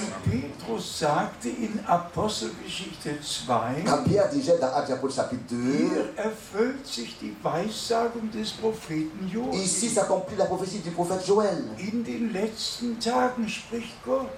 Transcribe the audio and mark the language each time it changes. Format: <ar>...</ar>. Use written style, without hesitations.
<de>Petrus sagte in Apostelgeschichte 2,</de> <fr>quand Pierre disait dans Actes des Apôtres chapitre 2,</fr> <de>erfüllt sich die Weissagung des Propheten Joel.</de> <fr>Ici s'accomplit la prophétie du prophète Joël.</fr> <de>In den letzten Tagen spricht Gott.</de>